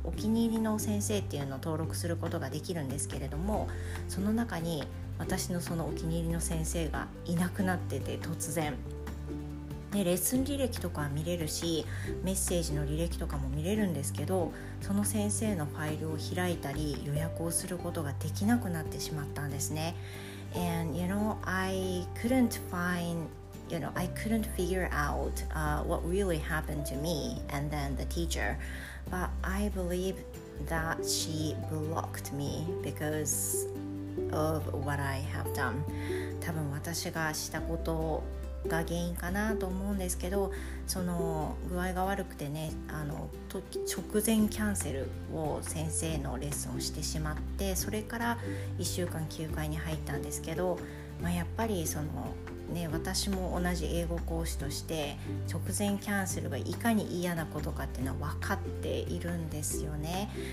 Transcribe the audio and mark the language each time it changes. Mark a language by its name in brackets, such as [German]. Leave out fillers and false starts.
[Japanese] お気に入りの先生っていうのを登録することができるんですけれども、その中に私のそのお気に入りの先生がいなくなってて突然。で、レッスン履歴とか見れるし、メッセージの履歴とかも見れるんですけど、その先生のファイルを開いたり予約をすることができなくなってしまったんですね。 [English] And you know, I couldn't figure out what really happened to me and then the teacher. But I believe that she blocked me because of what I have done. [Japanese] 多分私がしたことが原因かなと思うんですけど、その具合が悪くてね、直前キャンセルを先生のレッスンをしてしまって、それから1週間休会に入ったんですけど、まあ、やっぱりそのね、私も同じ英語講師として直前キャンセルがいかに嫌なことかっていうのは分かっているんですよね。